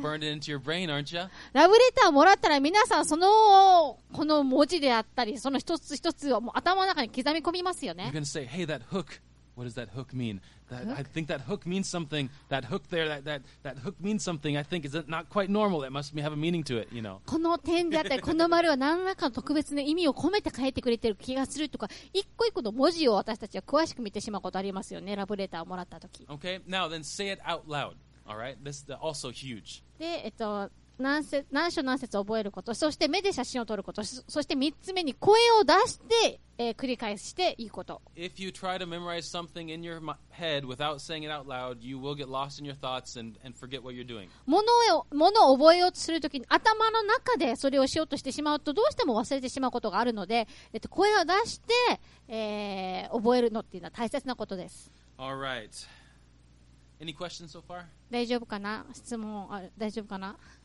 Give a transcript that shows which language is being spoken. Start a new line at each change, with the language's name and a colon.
Japanese: ラブレターをもらったら皆さんそのこの文字であったりその一つ一つをもう頭の中に刻み込みますよね。
English: You're gonna say, hey, that hook. What does that hook mean? That, hook? I think that hook means something. That hook there, that hook means something. I think is it not quite normal. That must have a meaning to it, you know.
Japanese: この点であったりこの丸は何らかの特別な意味を込めて書いてくれてる気がするとか、一個一個の文字を私たちは詳しく見てしまうことありますよね。ラブレターをもらったとき。
English: Okay, now then say it out loud. All right, this is also huge.
Japanese: で、何章何節を覚えること、そして目で写真を撮ること、そして3つ目に声を出して、繰り返していいこと。
English: If you try to memorize something in your head without saying it out loud, you will get lost in your thoughts and forget what you're doing.
Japanese: ものを覚えようとするときに頭の中でそれをしようとしてしまうとどうしても忘れてしまうことがあるので、声を出して、覚えるのっていうのは大切なことです。
English: All right. Any questions so far?
Japanese: 大丈夫かな、質問ある、大丈夫かな。